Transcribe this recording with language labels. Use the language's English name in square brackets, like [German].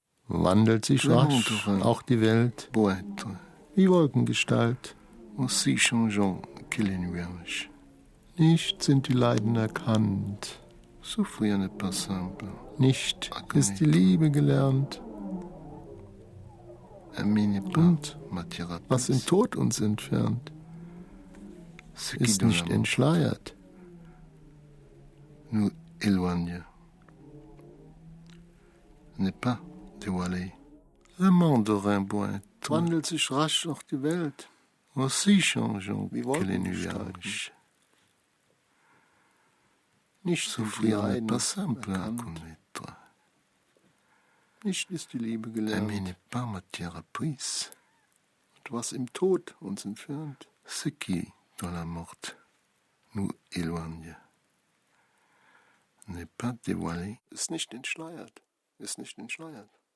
[German] Wandelt sich rasch auch die Welt, [French] Poète, [German] wie Wolkengestalt, [French] aussi changeant que les nuages. [German] Nicht sind die Leiden erkannt, [French] souffrir n'est pas simple, [German] nicht ist die Liebe gelernt, [French] aimer n'est pas matière apprise, [German] was in Tod uns entfernt, [French] ce qui [German] ist nicht entschleiert, [French] nous éloigne, n'est pas. Le monde rimbouin [German] wandelt sich rasch auch die Welt. [French] Aussi changeant que les nuages. Nicht souffrir n'est pas simple à connaître. [German] Nicht ist die Liebe gelernt. [French] Aimer n'est pas matière apprise. [German] Und was im Tod uns entfernt. [French] Ce qui, dans la mort, nous éloigne. N'est pas dévoilé. [German] Ist nicht entschleiert. Ist nicht entschleiert.